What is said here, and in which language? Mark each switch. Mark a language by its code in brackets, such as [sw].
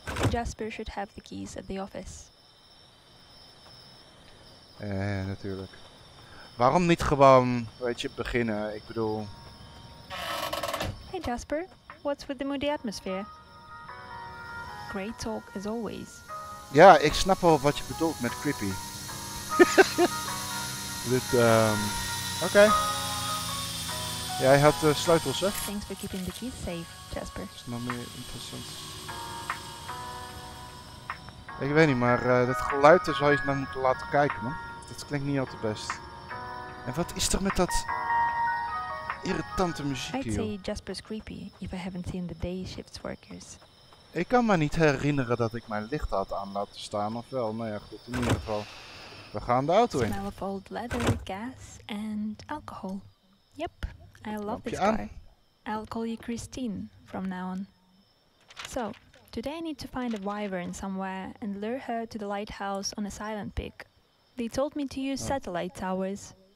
[en] Jasper should have the keys at the office. [nl] Natuurlijk. Waarom niet gewoon, weet je, beginnen? Ik bedoel... [en] Hey Jasper, what's with the moody atmosphere? Great talk as always. [nl] Ja, ik snap wel wat je bedoelt met creepy. Dit, oké. Okay. Jij had de sleutels, hè? [en] Thanks for keeping the keys safe, Jasper. [nl] Is nog meer interessant. Ik weet niet, maar dat geluid zou je nou moeten laten kijken, man. Dat klinkt niet al te best. En wat is er met dat irritante muziek, [en] joh? I'd say Jasper's creepy, if I haven't seen the day shift workers. [nl] Ik kan me niet herinneren dat ik mijn licht had aan laten staan, of wel. Nou ja, goed, in ieder geval. We gaan de auto in. [en] Smell of old leather, gas and alcohol. Yep, I love this [nl] aan. [en] Car. I'll call you Christine from now on. So, today I need to find a wyvern somewhere and lure her to the lighthouse on a silent peak. They told me to use satellite towers.